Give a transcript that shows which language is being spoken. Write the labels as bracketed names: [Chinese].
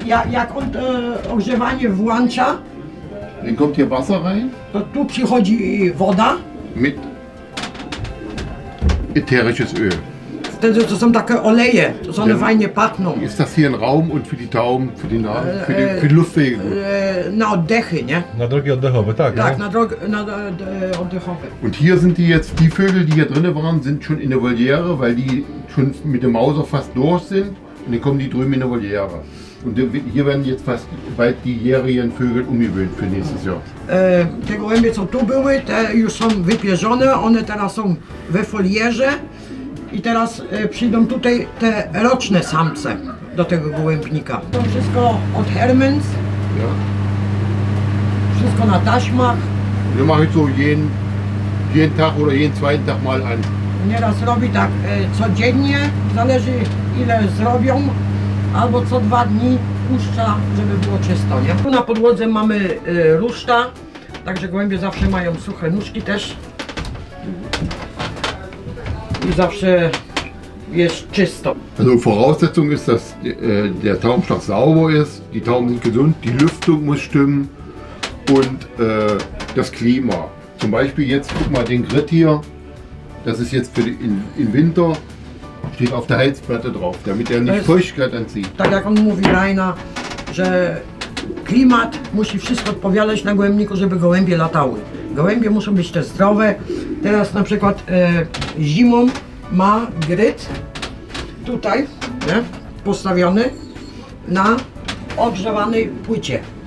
[Polish] Jak on ogrzewanie włącza, [German] kommt hier Wasser rein? [Polish] To tu przychodzi woda. [German] Mit ätherisches Öl. [Polish] Wtedy to są takie oleje, to są one fajnie pachną. [German] Ist das hier ein Raum und für die Tauben, für die Nase, für die, für die Luftwege? [Polish] Na oddechy, nie? Na drogi oddechowe, tak. Tak, ne? Na drogi oddechowe. [German] Und hier sind die jetzt, die Vögel, die hier drinnen waren, sind schon in der Voliere, weil die schon mit dem Mauser fast durch sind. Und dann kommen die drüben in der Voliere. Und hier werden jetzt fast bald die jährigen Vögel umgewöhnt für nächstes Jahr. [Polish] Te gołębie, co tu były, te już są wypierzone, one teraz są we folierze. I teraz przyjdą tutaj te roczne samce do tego gołębnika. To wszystko od Hermens. [German] Ja. [Polish] Wszystko na taśmach. [German] Wir machen so jeden Tag oder jeden zweiten Tag mal an. [Polish] Nieraz robi tak codziennie, zależy ile zrobią, albo co dwa dni puszcza, żeby było czysto. Nie? Tu na podłodze mamy ruszta, także gołębie zawsze mają suche nóżki też. I zawsze jest czysto. [German] Also Voraussetzung ist, dass der Taubenschlag sauber ist, die Tauben sind gesund, die Lüftung muss stimmen und das Klima. Zum Beispiel jetzt, guck mal, den Grit hier, das ist jetzt für die, im Winter, steht auf der Heizplatte drauf, damit er nicht Feuchtigkeit anzieht. [Polish] Tak jak on mówi Rainer, że klimat musi wszystko odpowiadać na gołębniku, żeby gołębie latały. Gołębie muszą być te zdrowe. Teraz na przykład zimą ma gryt tutaj, nie? Postawiony na ogrzewanej płycie.